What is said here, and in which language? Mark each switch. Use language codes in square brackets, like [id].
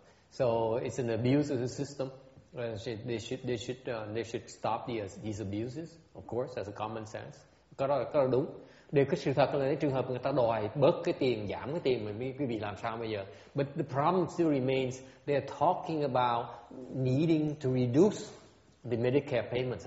[en] So it's an abuse of the system. They should stop these abuses, of course, as a common sense. [vi] Cái đó đúng. Để cái sự thật là cái trường hợp người ta đòi bớt cái tiền, giảm cái tiền, mình quý vị làm sao bây giờ? [en] But the problem still remains, they're talking about needing to reduce the Medicare payments.